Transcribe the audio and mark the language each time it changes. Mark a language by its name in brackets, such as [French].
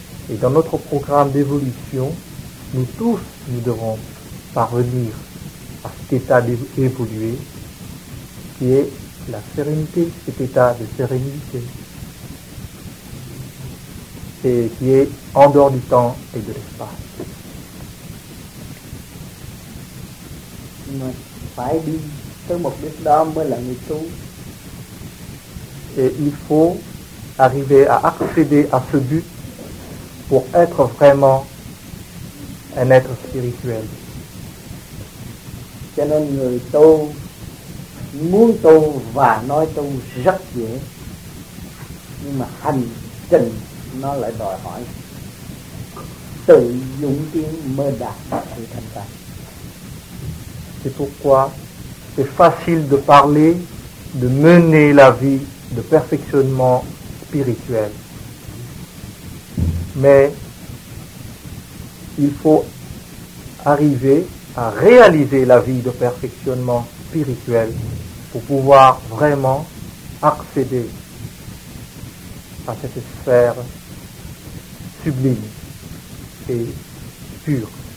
[French] Et dans notre programme d'évolution, nous tous, nous devons parvenir à cet état d'évolué qui est la sérénité, cet état de sérénité, et qui est en dehors du temps et de l'espace. Mais [Vietnamese] phải đi tới mục đích đó mới là người tu. [French] Et il faut arriver à accéder à ce but pour être vraiment un être spirituel. [Vietnamese] Cho nên người tu muốn tu và nói tu rất dễ, nhưng mà hành trình nó lại đòi hỏi tự dũng tiến mơ đạt sự thành tài. [French] C'est pourquoi c'est facile de parler, de mener la vie de perfectionnement spirituel. Mais il faut arriver à réaliser la vie de perfectionnement spirituel pour pouvoir vraiment accéder à cette sphère sublime et pure.